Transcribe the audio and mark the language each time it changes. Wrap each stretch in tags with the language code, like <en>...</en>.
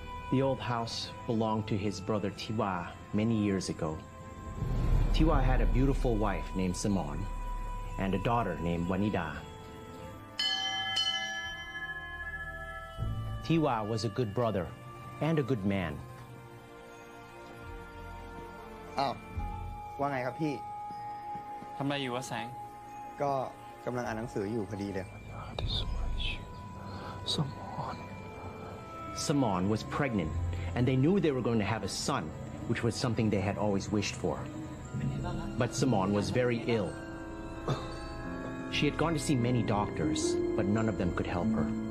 <en>The old house belonged to his brother Tiwa many years ago. Tiwa had a beautiful wife named Simon and a daughter named Wanita. Tiwa was a good brother and a good man.</en> <th>Oh, ว่าไงครับพี่ทำไมอยู่วะแสง ก็กำลังอ่านหนังสืออยู่พอดีเลย</th> <en>Simon was pregnant, and they knew they were going to have a son, which was something they had always wished for. But Simon was very ill. She had gone to see many doctors, but none of them could help her.</en>